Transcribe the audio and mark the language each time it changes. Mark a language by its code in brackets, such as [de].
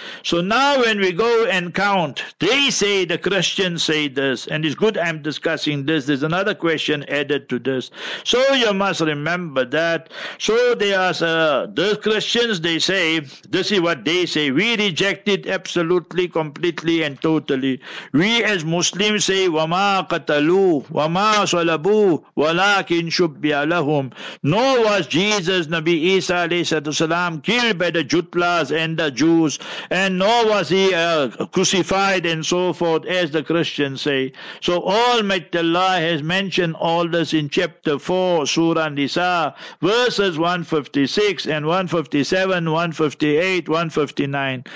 [en] So now when we go and count, they say, the Christians say this, and it's good I'm discussing this, there's another question added to this. So you must remember that. So they ask, the Christians, they say, this is what they say, we reject it absolutely, completely and totally. We as Muslims say, [ar] وَمَا قَتَلُوا وَمَا صَلَبُوا وَلَكِنْ شُبِّيَ لَهُمْ. [en] Nor was Jesus, Nabi Isa alayhi salam, killed by the Jutlas and the Jews, and nor was he crucified and so forth, as the Christians say. So Almighty Allah has mentioned all this in chapter 4, Surah Nisa, verses 156 and 157, 158, 159.